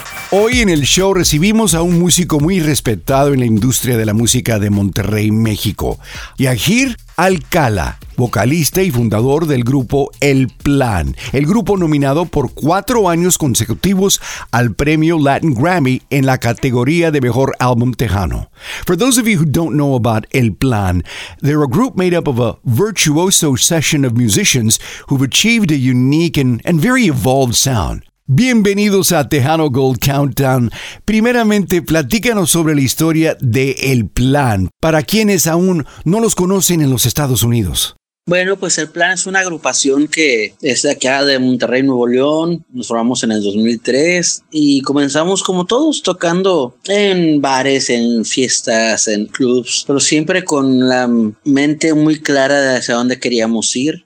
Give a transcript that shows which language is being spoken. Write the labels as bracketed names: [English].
[Spanish] Hoy en el show recibimos a un músico muy respetado en la industria de la música de Monterrey, México. Yahir Alcala, vocalista y fundador del grupo El Plan. El grupo nominado por 4 años consecutivos al premio Latin Grammy en la categoría de Mejor Álbum Tejano. [English] For those of you who don't know about El Plan, they're a group made up of a virtuoso session of musicians who've achieved a unique and very evolved sound. [Spanish] Bienvenidos a Tejano Gold Countdown. Primeramente, platícanos sobre la historia de El Plan, para quienes aún no los conocen en los Estados Unidos. Bueno, pues El Plan es una agrupación que es de acá de Monterrey, Nuevo León. Nos formamos en el 2003 y comenzamos como todos tocando en bares, en fiestas, en clubs, pero siempre con la mente muy clara de hacia dónde queríamos ir.